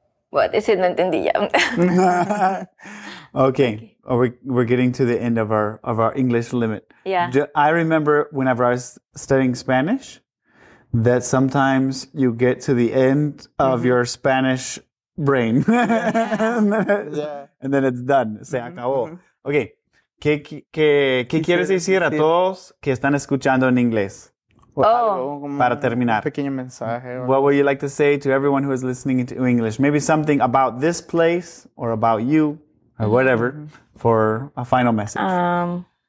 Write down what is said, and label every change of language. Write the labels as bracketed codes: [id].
[en] What is it? Okay. We're getting to the end of our English limit. Yeah. I remember whenever I was studying Spanish, that sometimes you get to the end of your Spanish brain. And then it's done. [es] Se acabó. [en] Okay. [es] ¿Qué quieres decir a todos que están escuchando en inglés? Para terminar. Pequeño mensaje. [en] What would you like to say to everyone who is listening to English? Maybe something about this place or about you or whatever for a final message.